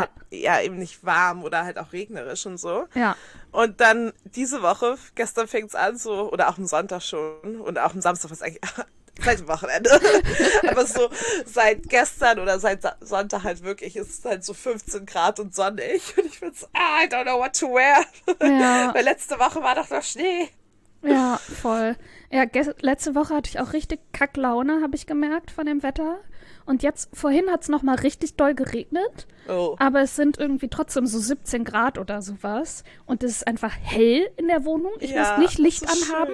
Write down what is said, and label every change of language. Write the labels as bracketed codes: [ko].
[de] Halt, ja, eben nicht warm oder halt auch regnerisch und so. Ja. Und dann diese Woche, gestern fängt es an so, oder auch am Sonntag schon. Und auch am Samstag, was eigentlich, vielleicht am Wochenende. Aber so seit gestern oder seit Sonntag halt wirklich, ist es halt so 15 Grad und sonnig. Und ich bin so, [en] I don't know what to wear. [de] Ja. Weil letzte Woche war doch noch Schnee. Ja, voll. Ja, letzte Woche hatte ich auch richtig Kacklaune, habe ich gemerkt, von dem Wetter. Und jetzt, vorhin hat es nochmal richtig doll geregnet. Oh. Aber es sind irgendwie trotzdem so 17 Grad oder sowas. Und es ist einfach hell in der Wohnung. Ich muss nicht Licht anhaben.